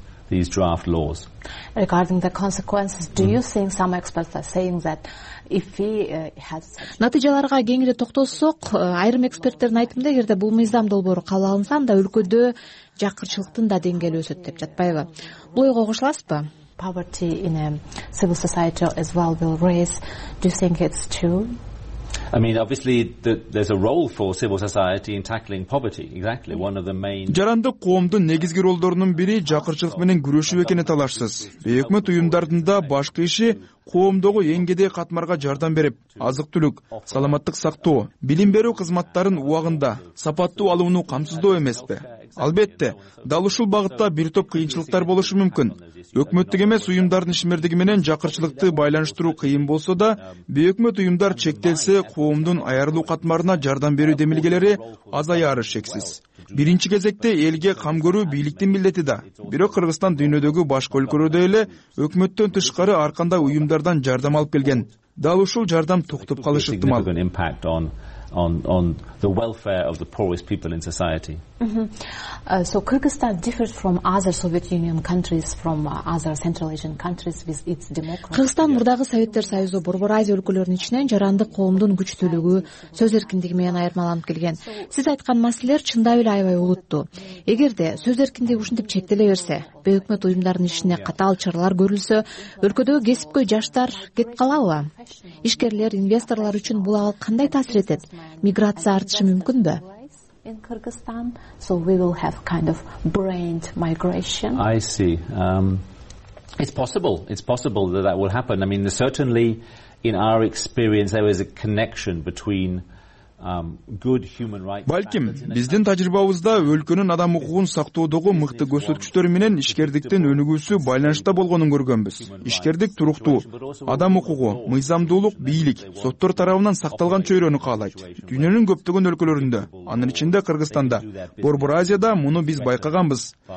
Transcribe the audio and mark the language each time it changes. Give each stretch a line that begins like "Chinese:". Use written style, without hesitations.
English: These draft laws. Regarding the consequences, do you think some experts are saying that if he has
Kyrgyz: натыйжаларга кеңири токтолсок, айрым эксперттердин айтымында эгерде бул мыйзам долбоору кабыл алынса, да өлкөдө жакырчылыктын да деңгээли өсөт деп жатпайбы? Бул ойго кошуласызбы?
English: Poverty in a civil society as well will raise. Do you think it's true? I mean, obviously, there's a role for civil society in tackling poverty. Exactly, one of the main.
Kyrgyz: Жарандык коомдун негизги ролдорунун бири жакырчылык менен күрөшүү экени талашсыз. Бейөкмөт уюмдардын да башкы иши коомдогу эң кедей катмарга жардам берип, азык-түлүк, саламаттык сактоо, билим берүү кызматтарын убагында, сапаттуу алууну камсыздоо эмеспи? Албетте, дал ушул багытта бир топ кыйынчылыктар болушу мүмкүн. Өкмөттүк эмес уюмдардын ишмердиги менен жакырчылыкты байланыштыруу кыйын болсо да, бейөкмөт уюмдар чектелсе, коомдун аярлуу катмарына жардам берүү демилгелери азаяары шексиз. Биринчи кезекте элге кам көрүү бийликтин милдети да. Бирок Кыргызстан дүйнөдөгү башка өлкөлөрдө эле өкмөттөн тышкары ар кандай уюмдардан жардам алып келген. Дал ушул жардам токтоп калышы ыктымал.
English: On the welfare of the poorest people in society. So Kyrgyzstan differs from other Soviet Union countries, from other Central Asian countries with its democracy.
Kyrgyz: Кыргызстан мурдагы Советтер Союзу Борбор Азия өлкөлөрүнүн ичинен жарандык коомдун күчтүүлүгү, сөз эркиндиги менен айырмаланып келген. Сиз айткан маселелер чындап эле аябай улуттуу. Эгерде сөз эркиндиги ушинтип чектеле берсе, бейөкмөт уюмдардын ишине катаал чаралар көрүлсө, өлкөдөгү кесипкөй жаштар кетип калабы? Ишкерлер, инвесторлор үчүн бул ага кандай таасир этет? Миграция артышы мүмкүнбү?
English: In Kyrgyzstan, so we will have kind of brained migration. I see. It's possible that will happen. I mean, certainly in our experience there is a connection between good human rights.
Kyrgyz: Балким, биздин тажрыйбабызда өлкөнүн адам укугун сактоодогу мыкты көрсөткүчтөр менен ишкердиктин өнүгүүсү байланышта болгонун көргөнбүз. Ишкердик туруктуу, адам укугу, мыйзамдуулук, бийлик, соттор тарабынан сакталган чөйрөнү каалайт. Дүйнөнүн көптөгөн өлкөлөрүндө, анын ичинде Кыргызстанда, Борбор Азияда муну биз байкаганбыз.